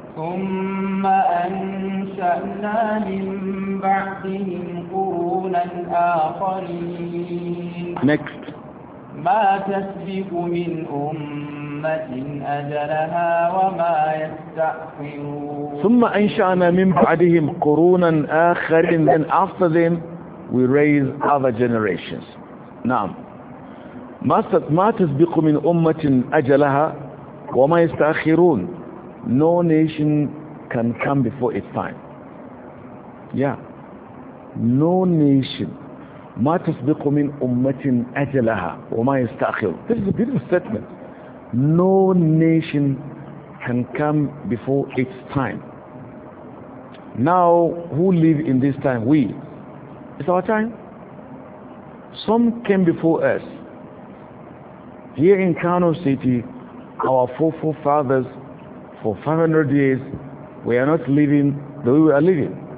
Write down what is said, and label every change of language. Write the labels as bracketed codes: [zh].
[ar] ثم أنشأنا من بعدهم قرونا آخرين. [en] Next. [ar] ما تسبق من أمة أجلها وما يستأخرون. ثم أنشأنا من بعدهم قرونا آخرين. [en] Then after them we raise other generations. [ar] نعم. ما تسبق من أمة أجلها وما يستأخرون. [en] No nation can come before its time. Yeah. No nation. [ar] ما تسبق من أمة أجلها وما يستأخر. [en] This is a beautiful statement. No nation can come before its time. Now, who live in this time? We. It's our time. Some came before us. Here in Kano City, our forefathers for 500 years, we are not living the way we are living.